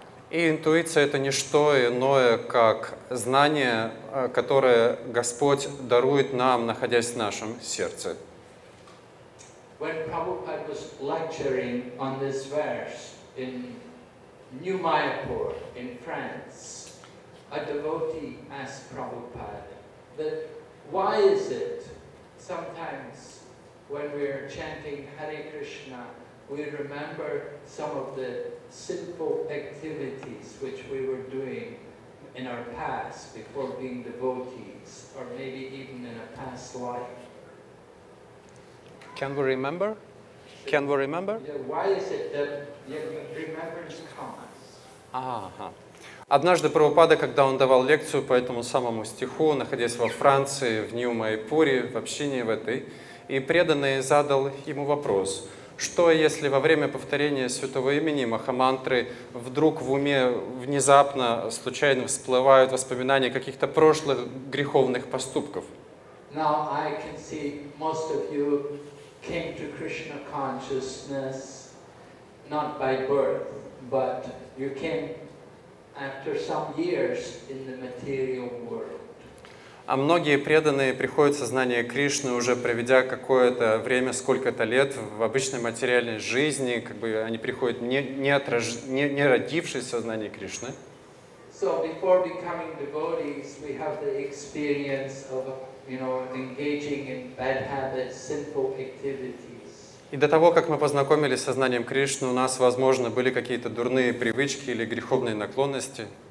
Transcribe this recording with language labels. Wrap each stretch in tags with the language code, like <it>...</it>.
<ru>И интуиция — это не что иное, как знание, которое Господь дарует нам, находясь в нашем сердце.</ru> <en>When Prabhupada was lecturing on this verse in New Mayapur in France, a devotee asked Prabhupada that why is it sometimes when we are chanting Hare Krishna we remember some of the sinful activities which we were doing in our past before being devotees, or maybe even in a past life? Can we remember? Can we remember? Yeah, why is it that remembrance comes?</en> <ru>Однажды Прабхупада, когда он давал лекцию по этому самому стиху, находясь во Франции, в Нью-Майпуре, в общине в этой, и преданный задал ему вопрос, что если во время повторения святого имени Махамантры вдруг в уме внезапно, случайно всплывают воспоминания каких-то прошлых греховных поступков?</ru> <en>Now I can see most of you came to Krishna consciousness not by birth, but you came after some years in the material world.</en> <ru>А многие преданные приходят в сознание Кришны, уже проведя какое-то время, сколько-то лет в обычной материальной жизни, как бы они приходят не родившись в сознание Кришны.</ru> <en>So before becoming devotees, we have the experience of, you know, engaging in bad habits, sinful activities.</en> <ru>И до того, как мы познакомились с сознанием Кришны, у нас, возможно, были какие-то дурные привычки или греховные наклонности.</ru>